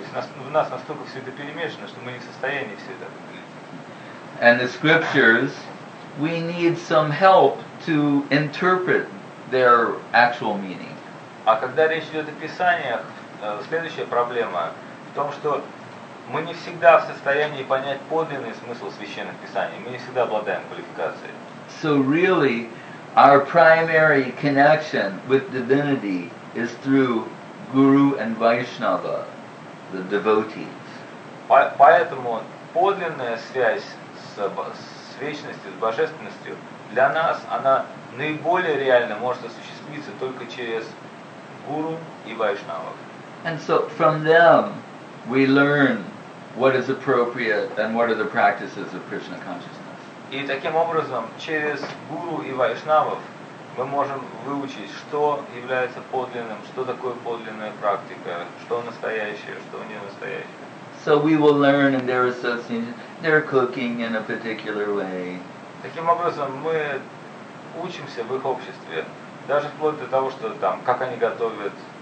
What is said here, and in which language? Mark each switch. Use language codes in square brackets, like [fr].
[ru] То есть в нас настолько все это перемешано, что мы не в состоянии все это определить. [en] And the scriptures, we need some help to interpret their actual meaning. [ru] А когда речь идет о писаниях, следующая проблема в том, что мы не всегда в состоянии понять подлинный смысл священных писаний. Мы не всегда обладаем квалификацией. [en] So really, our primary connection with divinity is through Guru and Vaishnava, the devotees. [ru] Поэтому подлинная связь с вечностью, с божественностью, для нас она наиболее реально может осуществиться только через гуру и вайшнавов. [en] And so from them we learn what is appropriate and what are the practices of Krishna consciousness. [ru] И таким образом, через гуру и вайшнавов мы можем выучить, что является подлинным, что такое подлинная практика, что настоящее, что не настоящее. [en] So we will learn in their association, their cooking in a particular way. [ru] Таким образом, мы учимся в их обществе, даже вплоть до того, что там, как они готовят.